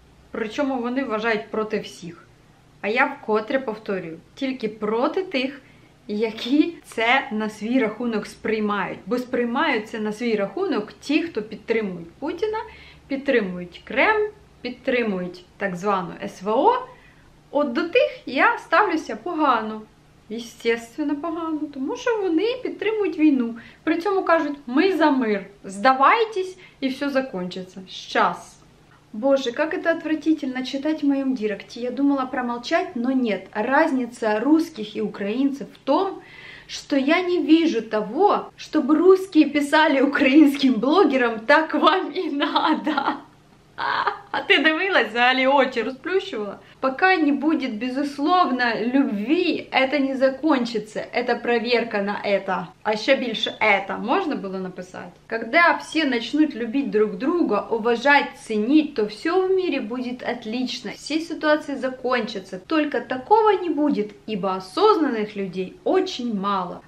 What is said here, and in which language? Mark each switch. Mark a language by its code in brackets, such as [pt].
[uk] Причому вони вважають проти всіх. А я вкотре повторюю, тільки проти тих, які це на свій рахунок сприймають. Бо сприймають це на свій рахунок ті, хто підтримують Путіна, підтримують Кремль, підтримують так звану СВО. От до тих я ставлюся погано. Єстественно, погано. Тому що вони підтримують війну. При цьому кажуть, ми за мир. Здавайтесь і все закінчиться. [ru] Щас. Боже, как это отвратительно читать в моем директе. Я думала промолчать, но нет. Разница русских и украинцев в том, что я не вижу того, чтобы русские писали украинским блогерам, так вам и надо. [uk] А ты дивилась, взагалі очі розплющувала? [ru] Пока не будет, безусловно, любви, это не закончится. Это проверка на это. А еще больше это можно было написать? Когда все начнут любить друг друга, уважать, ценить, то все в мире будет отлично. Все ситуации закончатся. Только такого не будет, ибо осознанных людей очень мало.